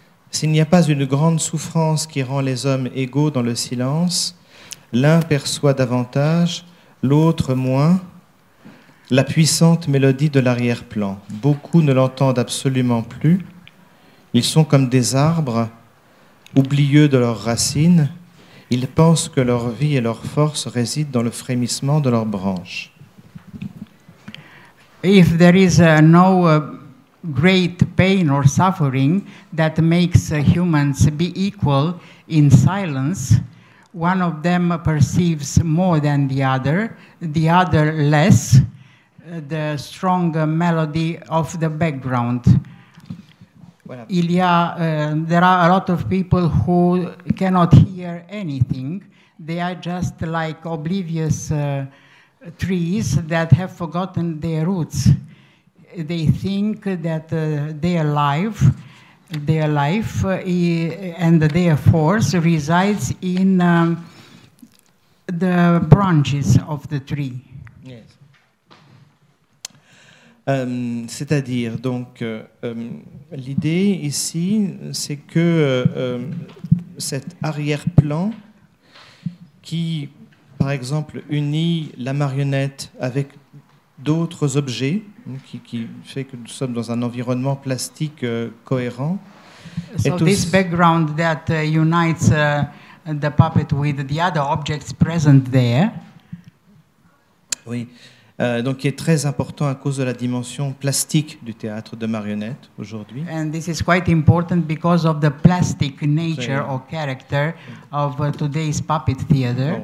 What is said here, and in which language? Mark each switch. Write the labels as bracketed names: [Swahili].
[French] S'il n'y a pas une grande souffrance qui rend les hommes égaux dans le silence, l'un perçoit davantage, l'autre moins, la puissante mélodie de l'arrière-plan. Beaucoup ne l'entendent absolument plus. Ils sont comme des arbres, oublieux de leurs racines. Ils pensent que leur vie et leur force résident dans le frémissement de leurs branches. [English] If there is no great pain or suffering that makes humans be equal in silence, one of them perceives more than the other less, the strong melody of the background. There are a lot of people who cannot hear anything. They are just like oblivious trees that have forgotten their roots. They think that their life and their force resides in the branches of the tree. Yes. [French] C'est-à-dire, donc, l'idée ici, c'est que cet arrière-plan qui, par exemple, unit la marionnette avec d'autres objets, qui fait que nous sommes dans un environnement plastique cohérent. [English] So this background that unites the puppet with the other objects present there. [French] Oui. Donc, qui est très important à cause de la dimension plastique du théâtre de marionnettes aujourd'hui. [English] And this is quite important because of the plastic nature or character of today's puppet theater.